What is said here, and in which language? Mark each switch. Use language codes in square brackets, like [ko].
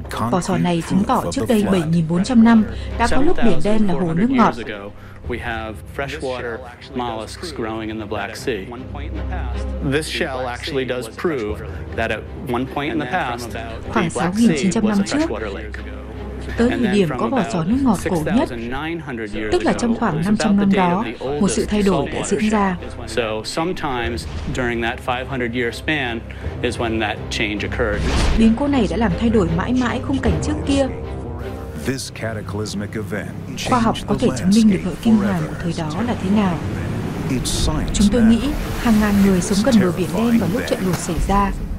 [vi] Vỏ sò này chứng tỏ trước đây 7.400 năm đã có lúc biển đen là hồ nước ngọt. [en] We have freshwater mollusks growing in the Black Sea. This shell actually does prove that at one point in the past, [vi] khoảng 6.900 năm trước, tới thời điểm có vỏ sò nước ngọt cổ nhất, tức là trong khoảng 500 năm đó, một sự thay đổi đã diễn ra. [en] So sometimes during that 500 year span is when that change occurred. [vi] Biến cố này đã làm thay đổi mãi mãi khung cảnh trước kia. [en] This cataclysmic event. [vi] Khoa học có thể chứng minh được nỗi kinh hoàng của thời đó là thế nào. Chúng tôi nghĩ hàng ngàn người sống gần bờ biển đen vào lúc trận lụt xảy ra.